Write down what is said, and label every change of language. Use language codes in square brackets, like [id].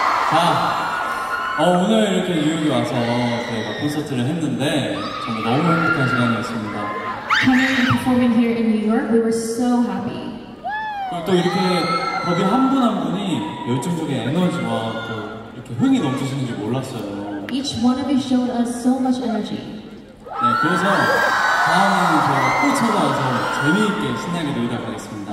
[ko] 자, 오늘 이렇게 뉴욕에 와서 저희가 콘서트를 했는데 정말 너무 행복한 시간이었습니다. [en] Coming and performing here in New York, we were so happy. [ko] 또 이렇게 거기 한 분 한 분이 열정 중에 에너지와 또 이렇게 흥이 넘치시는 줄 몰랐어요. [en] Each one of you showed us so much energy. [ko] 네, 그래서 다음에는 저희가 또 찾아와서 재미있게 신나게 놀다 가겠습니다.